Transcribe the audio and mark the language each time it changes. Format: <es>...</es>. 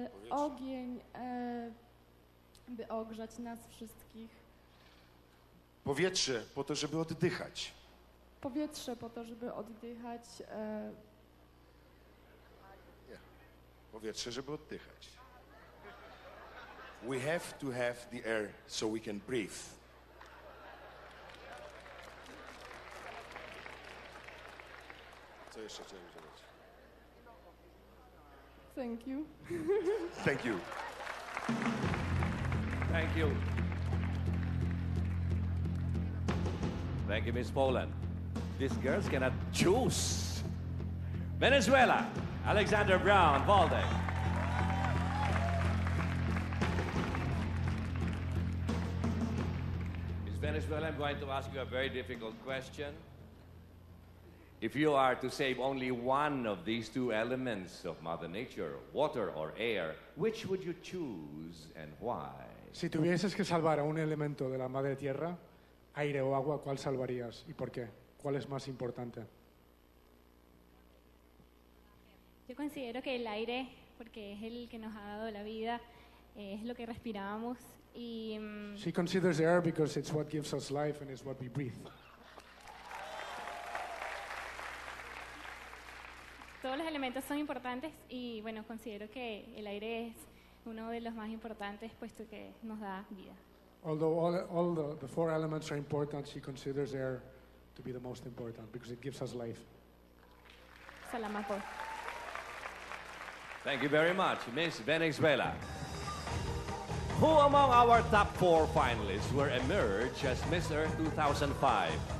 <pl>Ogień, by ogrzać nas wszystkich. Powietrze, po to, żeby oddychać. Powietrze, po to, żeby oddychać. Powietrze, żeby oddychać.</pl> <en>We have to have the air so we can breathe.</en> <pl>Co jeszcze chciałem zrobić?</pl> <en>Thank you. Thank you. Thank you. Thank you, Miss Poland. These girls cannot choose. Venezuela, Alexandra Braun, Valde. Miss Venezuela, I'm going to ask you a very difficult question. If you are to save only one of these two elements of Mother Nature, water or air, which would you choose and why?</en> <es>Si tuvieses que salvar a un elemento de la madre tierra, aire o agua, ¿cuál salvarías y por qué? ¿Cuál es más importante? Yo considero que el aire, porque es el que nos ha dado la vida, es lo que respiramos y...</es> <en>She considers the air because it's what gives us life and it's what we breathe.</en> <es>Todos los elementos son importantes y bueno, considero que el aire es uno de los más importantes puesto que nos da vida.</es> <en>Although all the four elements are important, she considers air to be the most important because it gives us life. Salamaco. Thank you very much, Miss Venezuela. Who among our top four finalists will emerge as Miss Earth 2005?</en>